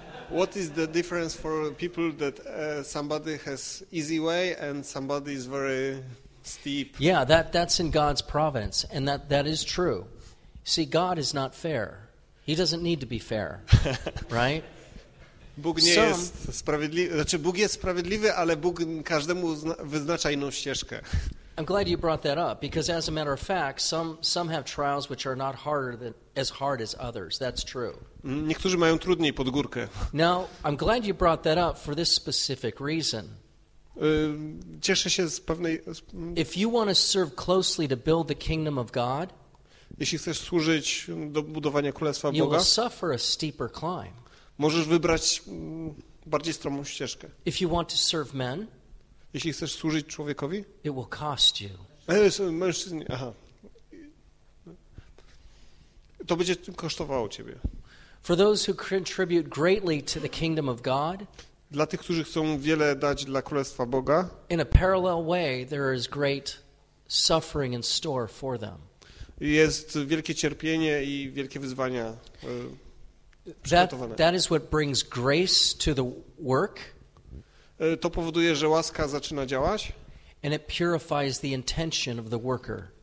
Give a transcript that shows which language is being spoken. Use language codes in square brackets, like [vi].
[en] What is the difference for people that somebody has easy way and somebody is very steep? Yeah, that's in God's providence, and that is true. See, God is not fair. He doesn't need to be fair, right? [pl] Bóg nie jest sprawiedliwy. Znaczy, Bóg jest sprawiedliwy, ale Bóg każdemu wyznacza inną ścieżkę. [en] I'm glad you brought that up, because as a matter of fact, some have trials which are not harder than as hard as others. That's true. [pl] Niektórzy mają trudniej pod górkę. [en] Now, I'm glad you brought that up for this specific reason. [pl] Cieszę się z pewnej... [en] If you want to serve closely to build the kingdom of God, [pl] jeśli chcesz służyć do budowania Królestwa Boga, [en] you will suffer a steeper climb. [pl] Możesz wybrać bardziej stromą ścieżkę. [en] If you want to serve men, [pl] jeśli chcesz służyć człowiekowi, [en] it will cost you. [pl] Mężczyźni, aha. To będzie kosztowało ciebie. [en] For those who contribute greatly to the kingdom of God, [pl] dla tych, którzy chcą wiele dać dla Królestwa Boga, [en] in a parallel way, there is great suffering in store for them. [pl] Jest wielkie cierpienie i wielkie wyzwania przygotowane. [en] That is what brings grace to the work. [pl] To powoduje, że łaska zaczyna działać. [en] And it purifies the intention of the worker.